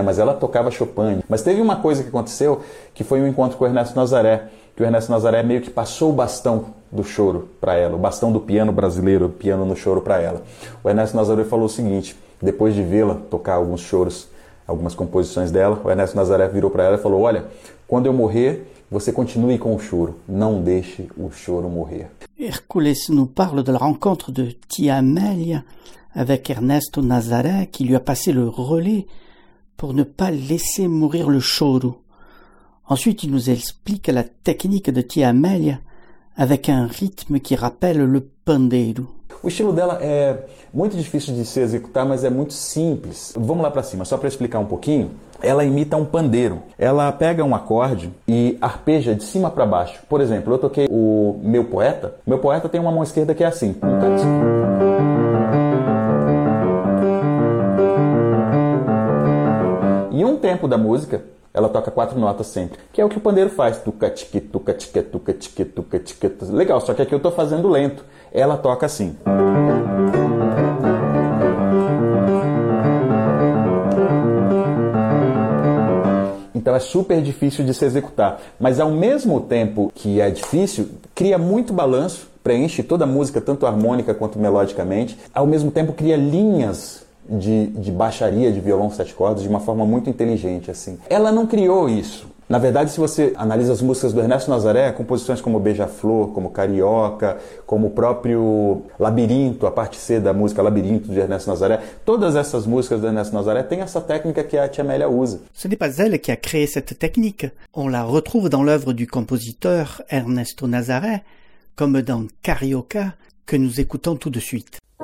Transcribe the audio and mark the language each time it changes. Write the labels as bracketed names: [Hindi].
[Portuguese] Mas ela tocava Chopin. Mas teve uma coisa que aconteceu, que foi um encontro com o Ernesto Nazaré, que o Ernesto Nazaré meio que passou o bastão do choro para ela, o bastão do piano brasileiro, piano no choro para ela. O Ernesto Nazaré falou o seguinte, depois de vê-la tocar alguns choros, algumas composições dela, o Ernesto Nazaré virou para ela e falou, olha, quando eu morrer, você continue com o choro, não deixe o choro morrer. [French] Hercules nous parle de la rencontre de Tia Amélia avec Ernesto Nazaré qui lui a passé le relais pour ne pas laisser mourir le choro. Ensuite, il nous explique la technique de Tia Amélia avec un rythme qui rappelle le pandeiro. [Portuguese] O estilo dela é muito difícil de se executar, mas é muito simples. Vamos lá para cima, só para explicar um pouquinho. Ela imita um pandeiro. Ela pega um acorde e arpeja de cima para baixo. Por exemplo, eu toquei o Meu Poeta. Meu Poeta tem uma mão esquerda que é assim. E um tempo da música, ela toca quatro notas sempre, que é o que o pandeiro faz. Tuca-tique, tuca-tique, tuca-tique, tuca-tique. Legal, só que aqui eu estou fazendo lento. Ela toca assim. Então é super difícil de se executar. Mas ao mesmo tempo que é difícil, cria muito balanço, preenche toda a música, tanto harmônica quanto melodicamente. Ao mesmo tempo cria linhas de baixaria de violão sete cordas de uma forma muito inteligente, assim. Ela não criou isso. Na verdade, se você analisa as músicas do Ernesto Nazaré, composições como Beija-Flor, como Carioca, como o próprio Labirinto, a parte C da música Labirinto de Ernesto Nazaré, todas essas músicas do Ernesto Nazaré têm essa técnica que a Tia Amélia usa. [French] Ce n'est pas elle qui a créé cette technique. On la retrouve dans l'œuvre du compositeur Ernesto Nazaré, comme dans Carioca, que nous écoutons tout de suite.